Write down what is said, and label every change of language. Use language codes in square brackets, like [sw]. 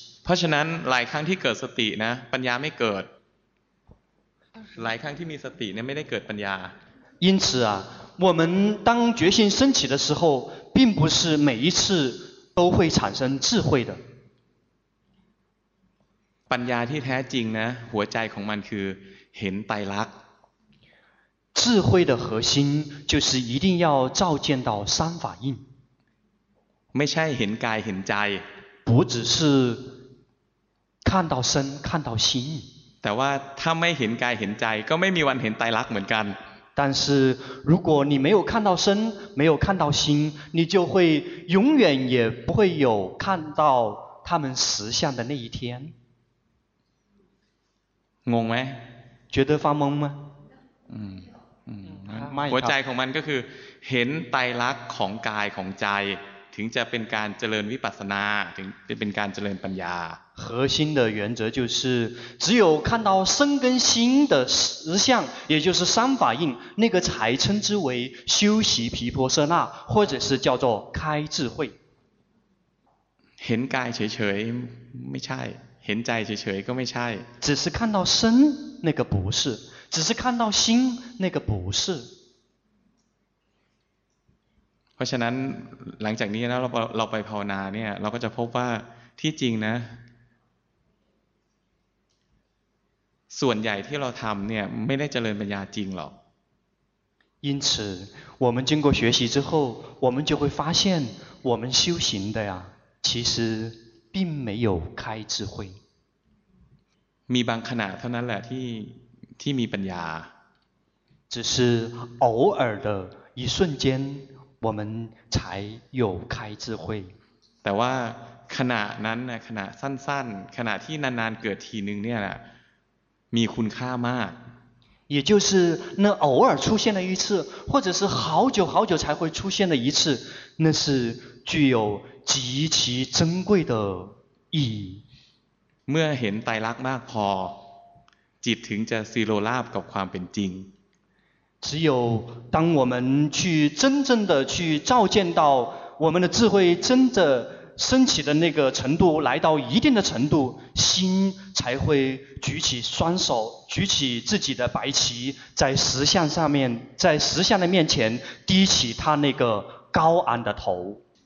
[th] เพราะฉะนั้นหลายครั้งที่เกิดสตินะปัญญาไม่เกิดหลายครั้งที่มีสติเนี่ยไม่ได้เกิดปัญญา [zh] 因此啊我们当决心升起的时候并不是每一次都会产生智慧的 [th] ปัญญาที่แท้จริงนะหัวใจของมันคือเห็นไตรลักษณ์ [zh] 智慧的核心就是一定要照见到三法印 [th] ไม่ใช่เห็นกายเห็นใจ [zh] 不只是看到身看到心 [th] แต่ว่าถ้าไม่เห็นกายเห็นใจก็ไม่มีวันเห็นไตรลักษณ์เหมือนกัน [zh] 但是如果你没有看到身没有看到心你就会永远也不会有看到他们实相的那一天 [th] งงไหม [zh] 觉得发懵吗 [th] หัวใจของมันก็คือเห็นไตรลักษณ์ของกายของใจถึงจะเป็นการเจริญวิปัสสนาถึงจะเป็นการเจริญปัญญา [zh] 核心的原则就是只有看到身跟心的实相也就是三法印那个才称之为修习毗婆舍那或者是叫做开智慧 [th] เห็นกายเฉยๆไม่ใช่เห็นใจเฉยๆก็ไม่ใช่ [zh] 只是看到身那个不是只是看到心那个不是 [th] เพราะฉะนั้นหลังจากนี้นะเราไปภาวนาเนี่ยเราก็จะพบว่าที่จริงนะส่วนใหญ่ที่เราทำเนี่ยไม่ได้เจริญปัญญาจริงหรอก [zh] 因此我们经过学习之后我们就会发现我们修行的呀其实并没有开智慧 [th] มีบางขณะเท่านั้นแหละที่มีปัญญา [zh] 只是偶尔的一瞬间我们才有开智慧 [th] แต่ว่าขณะนั้นขณะสั้นๆขณะที่นานๆเกิดทีนึงเนี่ยแหละมีคุณค่ามาก [zh] 也就是那偶尔出现了一次或者是好久好久才会出现的一次那是具有极其珍贵的意义 [th] เมื่อเห็นไตรลักษณ์มากพอจิตถึงจะซีโรราบกับความเป็นจริง [zh] 只有当我们去真正的去照见到我们的智慧真的升起的那个程度来到一定的程度心才会举起双手举起自己的白旗在实相上面在实相的面前低起他那个高昂的头